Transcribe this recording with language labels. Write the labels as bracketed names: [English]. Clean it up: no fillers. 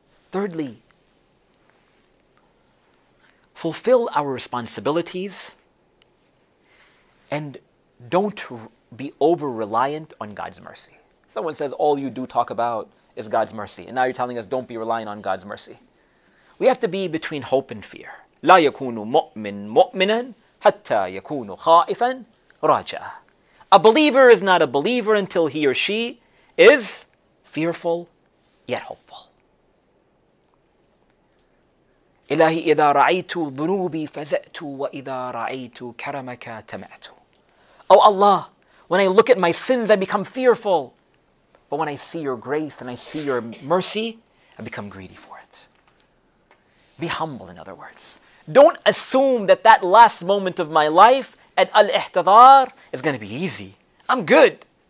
[English] Thirdly, fulfill our responsibilities and don't be over-reliant on God's mercy. Someone says, all you do talk about is God's mercy. And now you're telling us, don't be relying on God's mercy. We have to be between hope and fear. [Arabic] لا يكون مؤمن مؤمنا حتى يكون خائفا راجعا. [English] A believer is not a believer until he or she is fearful yet hopeful. [Arabic] إلهي إذا رأيت ذنوبي فزأت وإذا رأيت كرمك تمعت. [English] Oh Allah, when I look at my sins, I become fearful. But when I see your grace and I see your mercy, I become greedy for it. Be humble, in other words. Don't assume that that last moment of my life at Al-Ihtidhar is going to be easy. I'm good.